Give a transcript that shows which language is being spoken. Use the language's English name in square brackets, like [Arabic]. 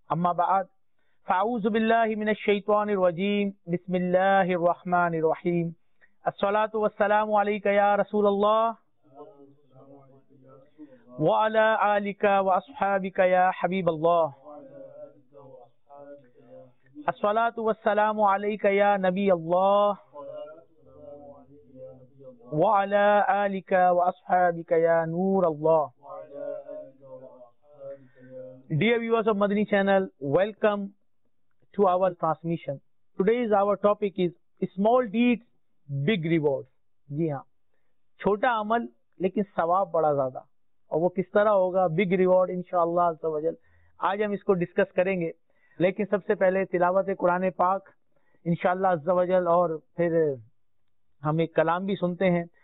[Arabic] أما بعد فأعوذ بالله من الشيطان الرجيم بسم الله الرحمن الرحيم الصلاة والسلام عليك يا رسول الله وعلى آلك وأصحابك يا حبيب الله الصلاة والسلام عليك يا نبي الله وعلى آلك وأصحابك يا نور الله. [English] Dear viewers of Madani channel, welcome to our transmission. Today's our topic is small deeds, big rewards. [Hindi] जी हाँ, छोटा अमल लेकिन सवाब बड़ा ज्यादा, और वो किस तरह होगा, [English] big reward [Hindi] इंशाअल्लाह अज़्ज़वजल, आज हम इसको डिस्कस करेंगे. लेकिन सबसे पहले तिलावत कुरान पाक इंशाअल्लाह अज़्ज़वजल, और फिर हम एक कलाम भी सुनते हैं.